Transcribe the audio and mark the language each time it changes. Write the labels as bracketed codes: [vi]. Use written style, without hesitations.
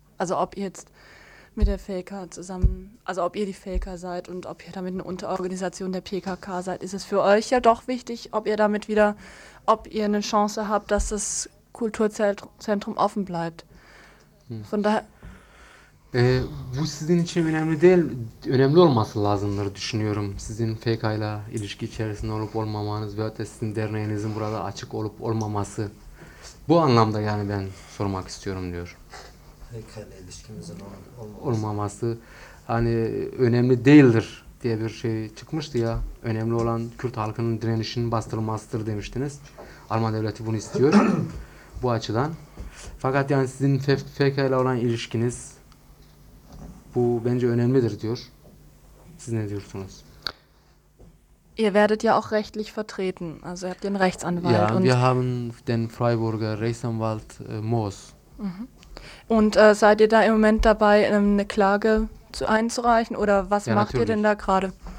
[de] Also ob ihr jetzt mit der Faker zusammen, also ob ihr die Faker seid und ob ihr damit eine Unterorganisation der PKK seid, ist es für euch ja doch wichtig, ob ihr damit wieder, ob ihr eine Chance habt, dass das Kulturzentrum offen bleibt. Von daher. [tr] Bu sizin için önemli değil, önemli olması lazımdır düşünüyorum. Sizin FK'yla ilişki içerisinde olup olmamanız veyahut da sizin derneğinizin burada açık olup olmaması. Bu anlamda yani ben sormak istiyorum diyor. FK'yla ilişkimizin olmaması. Hani önemli değildir diye bir şey çıkmıştı ya. Önemli olan Kürt halkının direnişinin bastırılmasıdır demiştiniz. Alman devleti bunu istiyor bu açıdan. Fakat yani sizin FK'yla olan ilişkiniz... Bu bence önemlidir diyor. Siz ne diyorsunuz? [de] Ihr werdet ja auch rechtlich vertreten. Also ihr habt den Rechtsanwalt. Ja, und wir haben den Freiburger Rechtsanwalt Moos. Und seid ihr da im Moment dabei, eine Klage einzureichen? Oder was ja, macht natürlich. Ihr denn da gerade?